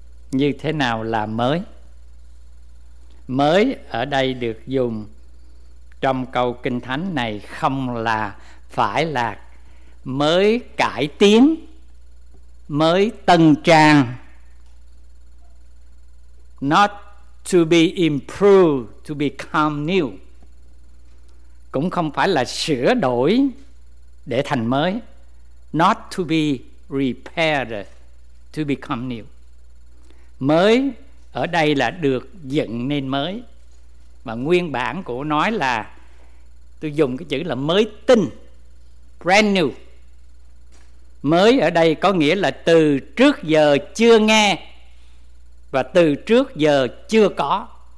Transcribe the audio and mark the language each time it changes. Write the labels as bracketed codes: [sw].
[vi] Như thế nào là mới? Mới ở đây được dùng trong câu Kinh Thánh này không là phải là mới cải tiến, mới tân trang. [en] Not to be improved, to become new. [vi] Cũng không phải là sửa đổi để thành mới. [en] Not to be repaired, to become new. [vi] Mới ở đây là được dựng nên mới. Và nguyên bản của nói là, tôi dùng cái chữ là mới tinh, brand new. Mới ở đây có nghĩa là từ trước giờ chưa nghe và từ trước giờ chưa có.